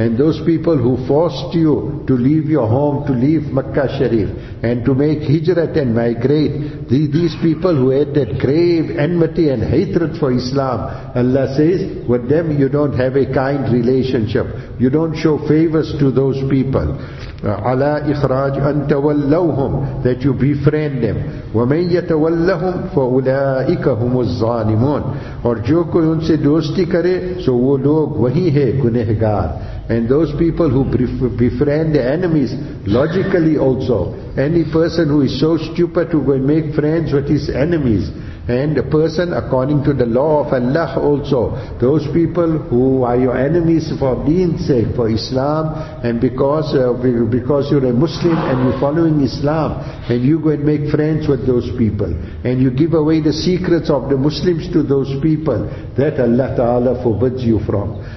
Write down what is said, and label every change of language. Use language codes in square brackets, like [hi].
[en] And those people who forced you to leave your home, to leave Makkah Sharif, and to make hijrat and migrate, these people who had that grave enmity and hatred for Islam, Allah says, with them you don't have a kind relationship. You don't show favors to those people. [ar] عَلَىٰ إِخْرَاج أَن تَوَلَّوْهُمْ, [en] that you befriend them. [ar] وَمَنْ يَتَوَلَّهُمْ فَأُولَٰئِكَ هُمُ الظَّالِمُونَ. [ur] اور جو کوئی ان سے دوستی کرے, سو وہ لوگ وہی ہے گنہگار. [en] And those people who befriend their enemies, logically also, any person who is so stupid to go and make friends with his enemies, and a person according to the law of Allah also, those people who are your enemies for deen's sake, for Islam, and because you're a Muslim and you're following Islam, and you go and make friends with those people, and you give away the secrets of the Muslims to those people, that Allah Ta'ala forbids you from.